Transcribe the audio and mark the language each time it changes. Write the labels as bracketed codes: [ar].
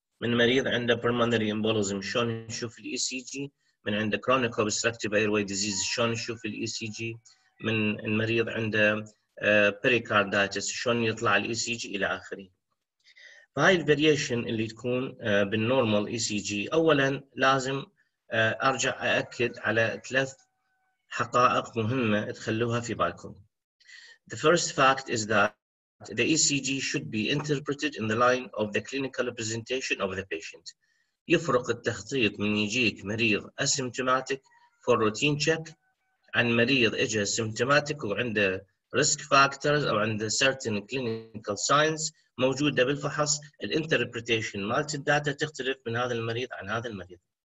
[ar] من مريض عنده pulmonary embolism شلون نشوف الـ ECG، من عنده [en] chronic obstructive airway disease [ar] شلون نشوف الـ ECG، من المريض عنده pericarditis شلون يطلع الـ ECG إلى آخره. فهاي الـ variation اللي تكون بالـ normal ECG، أولاً لازم أرجع أأكد على 3 حقائق مهمة تخلوها في بالكم. [en] The first fact is that the ECG should be interpreted in the line of the clinical presentation of the patient. [ar] يفرق التخطيط من يجيك مريض [en] asymptomatic for routine check [ar] عن مريض إجا symptomatic وعنده risk factors أو عنده [en] certain clinical signs [ar] موجودة بالفحص. الـ interpretation مالت الداتا تختلف من هذا المريض عن هذا المريض.